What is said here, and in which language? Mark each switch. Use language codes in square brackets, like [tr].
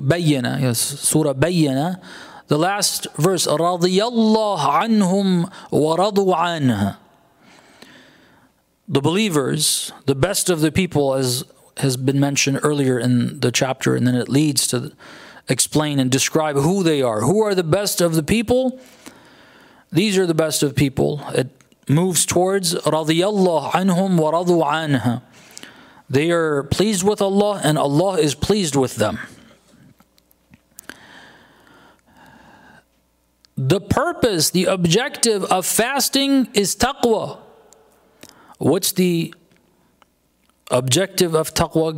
[en] Bayyana, yes, Surah Bayyana, the last verse, [ar] رَضِيَ اللَّهُ عَنْهُمْ وَرَضُوا عَنْهُ. [en] The believers, the best of the people, as has been mentioned earlier in the chapter, and then it leads to explain and describe who they are. Who are the best of the people? These are the best of people. It moves towards [ar] رَضِيَ اللَّهُ عَنْهُمْ وَرَضُوا عَنْهُ. [en] They are pleased with Allah, and Allah is pleased with them. The purpose, the objective of fasting is taqwa. What's the objective of taqwa?